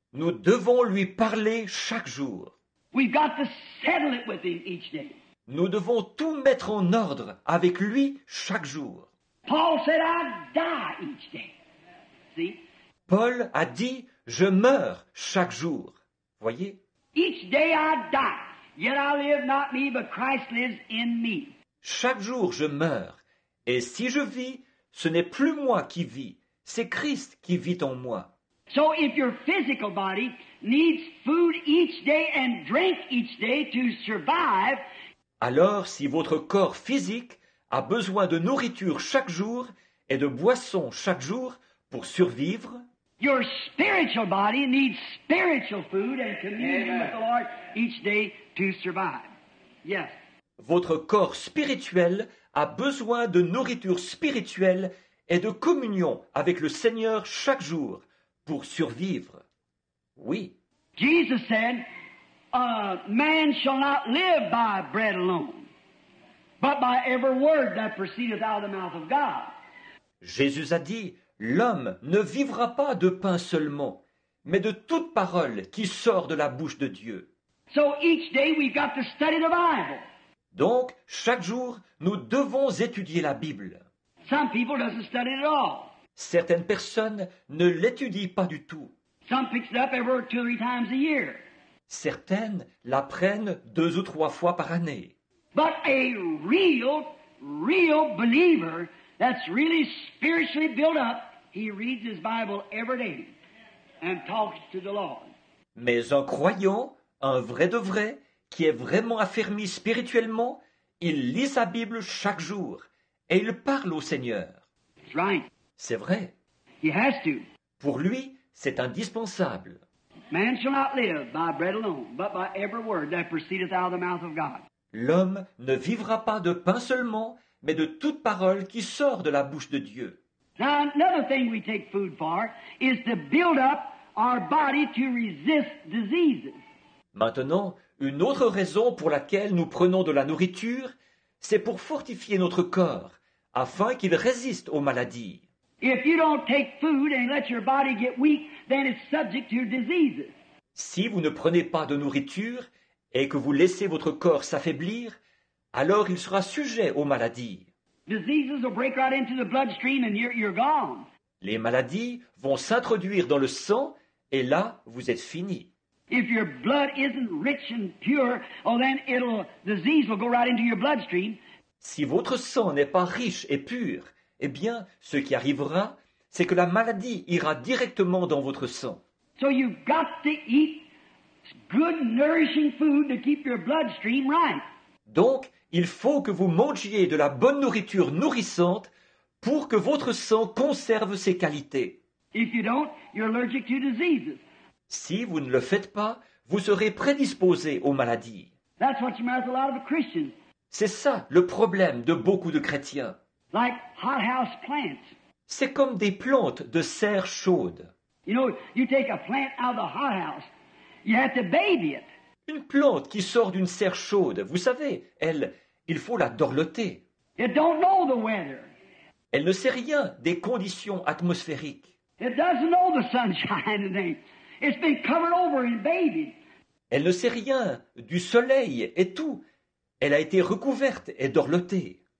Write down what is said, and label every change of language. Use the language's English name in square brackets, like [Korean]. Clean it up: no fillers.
[French] Nous devons lui parler chaque jour. [English] We've got to settle it with him each day. [French] Nous devons tout mettre en ordre avec lui chaque jour. [English] Paul said, I die each day. See? [French] Paul a dit, je meurs chaque jour. Voyez? [English] Each day I die, yet I live not me, but Christ lives in me. [French] Chaque jour je meurs, et si je vis, ce n'est plus moi qui vis, c'est Christ qui vit en moi. [English] So if your physical body needs food each day and drink each day to survive, [French] alors si votre corps physique a besoin de nourriture chaque jour et de boisson chaque jour pour survivre, [English] your spiritual body needs spiritual food and communion with the Lord each day to survive. Yes. [French] Votre corps spirituel a besoin de nourriture spirituelle et de communion avec le Seigneur chaque jour pour survivre. Oui. [English] Jesus said, a man shall not live by bread alone, but by every word that proceedeth out of the mouth of God. [French] Jésus a dit, l'homme ne vivra pas de pain seulement, mais de toute parole qui sort de la bouche de Dieu. [English] So each day we've got to study the Bible. [French] Donc, chaque jour, nous devons étudier la Bible. [English] Some people doesn't study it at all. [French] Certaines personnes ne l'étudient pas du tout. [English] Some pick it up every two or three times a year. [French] Certaines la prennent deux ou trois fois par année. [English] But a real, real believer that's really spiritually built up, he reads his Bible every day and talks to the Lord. [French] Mais un croyant, un vrai de vrai, qui est vraiment affermi spirituellement, il lit sa Bible chaque jour et il parle au Seigneur. [English] That's right. [French] C'est vrai. [English] He has to. [French] Pour lui, c'est indispensable. [English] Man shall not live by bread alone, but by every word that proceedeth out of the mouth of God. [French] L'homme ne vivra pas de pain seulement, mais de toute parole qui sort de la bouche de Dieu. [English] Now, another thing we take food for is to build up our body to resist diseases. [French] Maintenant, une autre raison pour laquelle nous prenons de la nourriture, c'est pour fortifier notre corps, afin qu'il résiste aux maladies. [English] If you don't take food and let your body get weak, then it's subject to diseases. [French] Si vous ne prenez pas de nourriture et que vous laissez votre corps s'affaiblir, alors il sera sujet aux maladies. [English] Diseases will break right into the bloodstream and you're gone. [French] Les maladies vont s'introduire dans le sang et là, vous êtes fini. [English] If your blood isn't rich and pure, oh then it'll disease will go right into your bloodstream. [French] Si votre sang n'est pas riche et pur, eh bien, ce qui arrivera, c'est que la maladie ira directement dans votre sang. [English] So you've got to eat good nourishing food to keep your bloodstream right. [French] Donc, il faut que vous mangiez de la bonne nourriture nourrissante pour que votre sang conserve ses qualités. [English] If you don't, you're allergic to diseases. [French] Si vous ne le faites pas, vous serez prédisposé aux maladies. [English] That's what you mean with a lot of Christians. [French] C'est ça le problème de beaucoup de chrétiens. [English] Like hot house plants. [French] C'est comme des plantes de serre chaude. [English] You know, you take a plant out of the hot house, you have to baby it. [French] Une plante qui sort d'une serre chaude, vous savez, elle, il faut la dorloter. [English] It don't know the weather. [French] Elle ne sait rien des conditions atmosphériques. [English] It doesn't know the sunshine and rain. It's been covered over and babied. [French] Elle ne sait rien du soleil et tout. Elle a été recouverte et dorlotée.